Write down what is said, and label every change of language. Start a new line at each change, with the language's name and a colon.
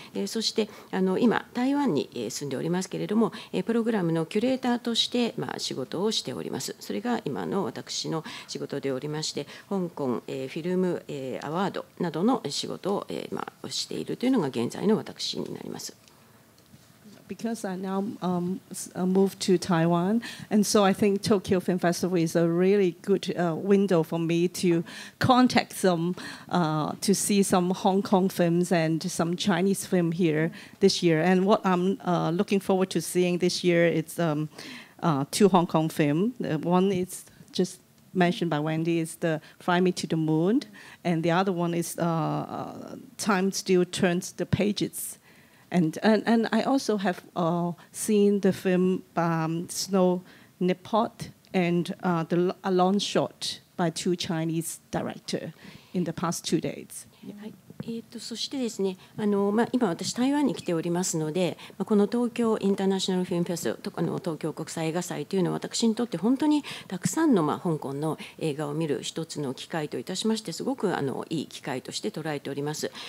Japanese: そしてあの今台湾に住んでおりますけれども、プログラムのキュレーターとして、まあ、仕事をしております。それが今の私の仕事でおりまして、香港フィルムアワードなどの仕事を、まあ、しているというのが現在の私になります。
English: Because I now moved to Taiwan, and so I think Tokyo Film Festival is a really good window for me to contact some, to see some Hong Kong films and some Chinese film here this year. And what I'm looking forward to seeing this year is two Hong Kong films. One is just mentioned by Wendy, is the Fly Me to the Moon, and the other one is Time Still Turns the Pages. And I also have seen the film Snow Nipot and the a long shot by two Chinese director in the past 2 days.、Yeah.
Japanese: そしてですね、あの、まあ、今私台湾に来ておりますので、この東京インターナショナルフィルムフェスとかの東京国際映画祭というのは、私にとって本当にたくさんの、まあ、香港の映画を見る一つの機会といたしまして、すごくあのいい機会として捉えております。